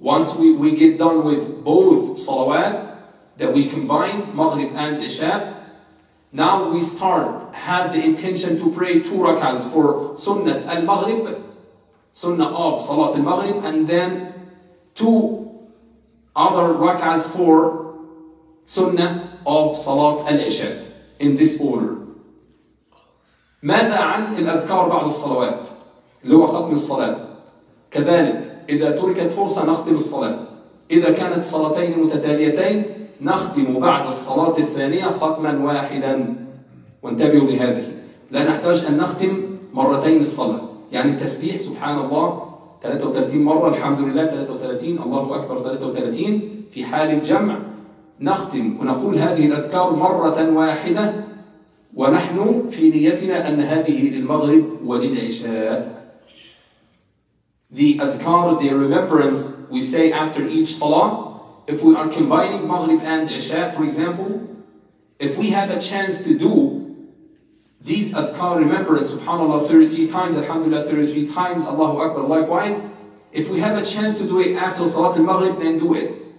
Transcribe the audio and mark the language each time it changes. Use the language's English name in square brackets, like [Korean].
[English] Once we get done with both salawat that we combined, Maghrib and Isha, now we start, have the intention to pray two rak'ahs for Sunnah al-Maghrib, Sunnah of Salat al-Maghrib, and then two other rak'ahs for Sunnah of Salat al-Isha, in this order. [Arabic] ماذا عن الأذكار بعد الصلوات؟ اللي هو ختم الصلاة. كذلك إذا تركت فرصة نختم الصلاة. إذا كانت صلاتين متتاليتين نختم بعد الصلاة الثانية ختما واحدا. وانتبهوا لهذه. لا نحتاج أن نختم مرتين الصلاة. يعني التسبيح سبحان الله 33 مرة، الحمد لله 33، الله أكبر 33 في حال الجمع. نختم ونقول هذه الأذكار مرة واحدة ونحن في نيتنا أن هذه للمغرب وللعشاء. [English] The Adhkar, the remembrance we say after each Salah, if we are combining Maghrib and Isha, for example, if we have a chance to do these Adhkar remembrance, SubhanAllah 33 times, Alhamdulillah 33 times, Allahu Akbar likewise, if we have a chance to do it after Salat al-Maghrib, then do it.